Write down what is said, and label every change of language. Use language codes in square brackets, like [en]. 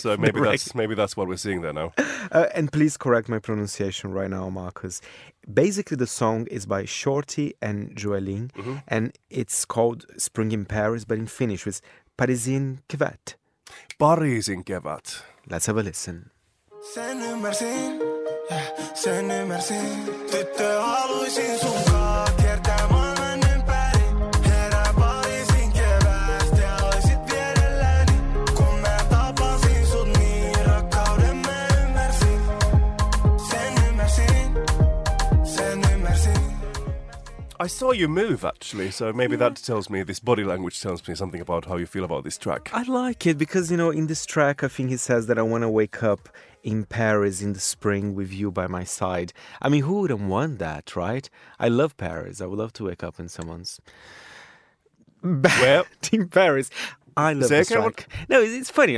[en] So maybe that's what we're seeing there now. And please correct my pronunciation right now, Marcus. Basically, the song is by Shorty and Joeling. Mm-hmm. And it's called Spring in Paris, but in Finnish it's Parisin kevät. [fi] Parisin kevät. [en] Let's have a listen. [fi] Sen ymmärsin, sen ymmärsin. Tyttö haluisin sun kaa kiertää maailman ympäri. Herää parisin kevät ja olisit vierelläni. Kun mä tapasin sut, niin rakkauden mä ymmärsin. Sen ymmärsin, sen ymmärsin. [en] I saw you move, actually, so maybe that tells me, this body language tells me something about how you feel about this track. I like it because, you know, in this track, I think he says that I want to wake up in Paris in the spring with you by my side. I mean, who wouldn't want that, right? I love Paris. I would love to wake up in someone's bed in Paris. I love this track. No, it's funny.